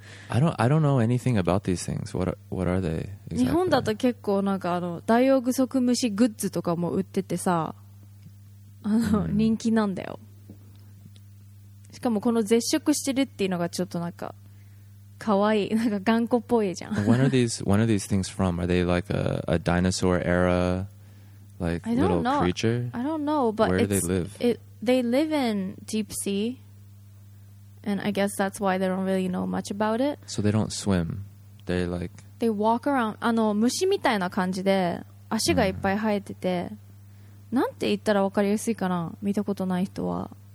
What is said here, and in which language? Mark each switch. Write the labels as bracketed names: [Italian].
[English] I don't know anything about these things. What are they exactly? [Japanese] 日本だと結構なんかあのダイオウグソクムシグッズとかも売っててさ、人気なんだよ。しかもこの絶食してるっていうのがちょっとなんかかわいい、なんか頑固っぽいじゃん。 [English] When are these things from? Are they like a dinosaur era like little creature? I don't know, but where do they live? They live in deep sea, and I guess that's why they don't really know much about it. So they don't swim. They like they walk around. [Japanese] あの虫みたいな感じで足がいっぱい生えてて。なんて言ったら分かりやすいかな、見たことない人は。